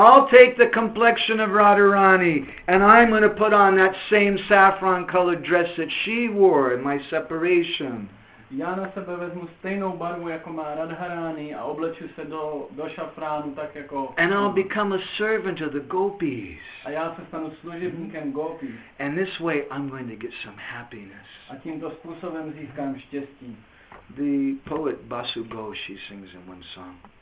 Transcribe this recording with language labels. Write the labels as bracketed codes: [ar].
[en] take the complexion of Radharani and I'm going to put on that same saffron colored dress that she wore in my separation. [cs] Já na sebe vezmu stejnou barvu jako má Radharani a obleču se do šafránu tak jako. [en] And I'll become a servant of the gopis. [cs] A já se stanu služebníkem gopis. [en] And this way I'm going to get some happiness. [cs] A tímto způsobem získám štěstí. [en] The poet Basu Ghosh, she sings in one song.